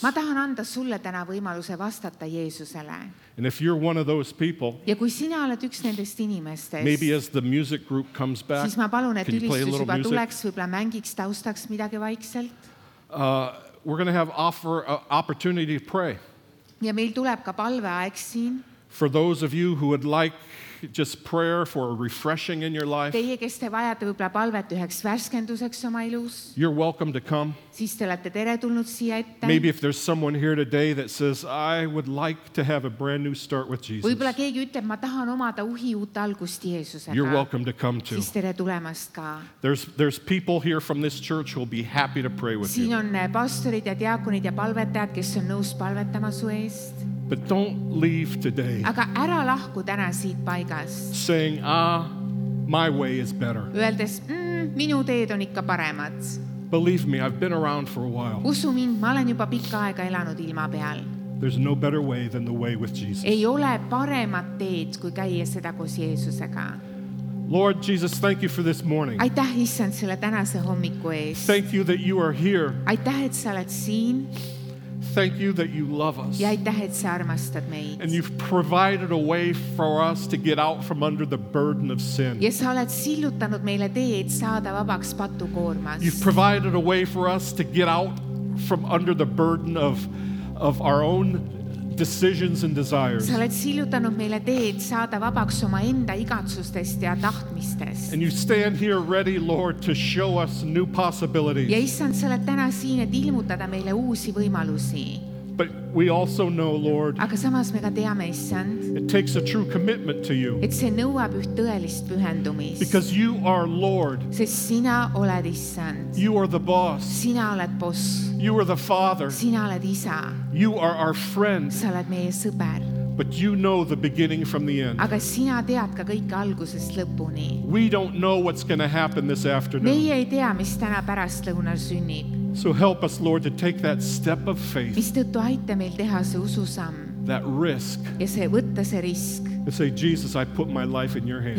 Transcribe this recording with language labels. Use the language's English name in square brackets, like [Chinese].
[Estonian] Ma tahan anda sulle täna võimaluse vastata Jeesusele. [English] And if you're one of those people, [Estonian] ja kui sina oled üks nendest inimestest, [English] maybe as the music group comes back, [Estonian] siis ma palun, et ülistus juba tuleks, võib-olla mängiks taustaks midagi vaikselt. [English] We're going to have opportunity to pray. [Estonian] Ja meil tuleb ka palveaeg siin. [English] For those of you who would like just prayer for a refreshing in your life, [Estonian] teie, kes te vajate võib-olla palvet üheks värskenduseks oma ilus, [English] you're welcome to come. [Estonian] Siis te olete teretulnud siia ette. [English] Maybe if there's someone here today that says, I would like to have a brand new start with Jesus, [Estonian] võib-olla keegi ütleb, ma tahan omada uhi uut algust Jeesusega, [English] you're welcome to come too. [Estonian] Siis tere tulemast ka. [English] There's people here from this church who will be happy to pray with [Estonian] siin [English] you. [Estonian] Siin on pastorid ja diakonid ja palvetajad, kes on nõus palvetama su eest. [English] But don't leave today. [Estonian] Aga ära lahku täna siit paigast. [English] Saying, ah, my way is better. [Estonian] Üeldes, minu teed on ikka paremad. [English] Believe me, I've been around for a while. [Estonian] Usu mind, ma olen juba pikka aega elanud ilma peal. [English] There's no better way than the way with Jesus. [Estonian] Ei ole paremat teed, kui käia seda koos Jeesusega. [English] Lord Jesus, thank you for this morning. [Estonian] Aitäh, Issand, selle tänase hommiku eest. [English] Thank you that you are here. [Estonian] Aitäh, et sa oled siin. [English] Thank you that you love us. [Estonian] Ja aitäh, et sa armastad meid. [English] And you've provided a way for us to get out from under the burden of sin. [Estonian] Ja sa oled sillutanud meile teed saada vabaks patukoormast. [English] You've provided a way for us to get out from under the burden of our own decisions and desires. [Estonian] Sa oled sillutanud meile teed saada vabaks oma enda igatsustest ja tahtmistest. [English] And you stand here ready, Lord, to show us new possibilities. [Estonian] Ja Issand, sa oled täna siin, et ilmutada meile uusi võimalusi. [English] But we also know, Lord, [Estonian] aga samas me ka teame, Issand, [English] it takes a true commitment to you. [Estonian] Et see nõuab üht tõelist pühendumist. [English] Because you are Lord. [Estonian] Sest sina oled Issand. [English] You are the boss. [Estonian] Sina oled boss. [English] You are the father. [Estonian] Sina oled isa. [English] You are our friend. [Estonian] Sa oled meie sõber. [English] But you know the beginning from the end. [Estonian] Aga sina tead ka kõik algusest lõpuni. [English] We don't know what's going to happen this afternoon. [Estonian] Meie ei tea, mis täna pärast lõunal sünnib. [English] So help us, Lord, to take that step of faith. [Estonian] Mistõttu aita meil teha see ususamm. [English] That risk. [Estonian] Ja see võtta see risk. [English] And say, Jesus, I put my life in your hands.